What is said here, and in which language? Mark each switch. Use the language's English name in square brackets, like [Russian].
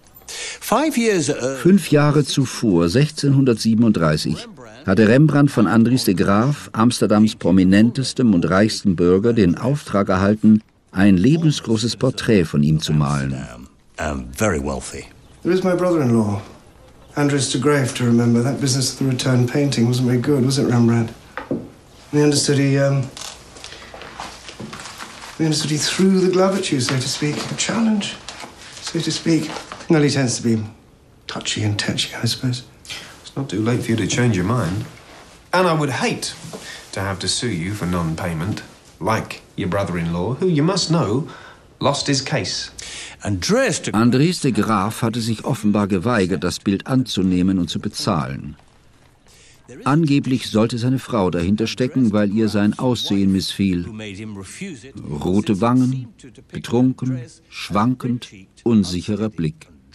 [German] 5 Jahre zuvor, 1637, hatte Rembrandt von Andries de Graaf, Amsterdams prominentestem und reichstem Bürger, den Auftrag erhalten, ein lebensgroßes Porträt von ihm zu malen. [English] There is my brother-in-law, Andries de Graaf, to remember. That business of the return painting wasn't very good, was it, Rembrandt? We understood he threw the glove at you, so to speak. A challenge, so to speak. Well, he tends to be touchy and tetchy, I suppose. It's not too late for you to change your mind. And I would hate to have to sue you for non-payment, like your brother-in-law, who, you must know, lost his case. [German] Andries de Graaf hatte sich offenbar geweigert, das Bild anzunehmen und zu bezahlen. Angeblich sollte seine Frau dahinter stecken, weil ihr sein Aussehen missfiel. Rote Wangen, betrunken, schwankend, unsicherer Blick.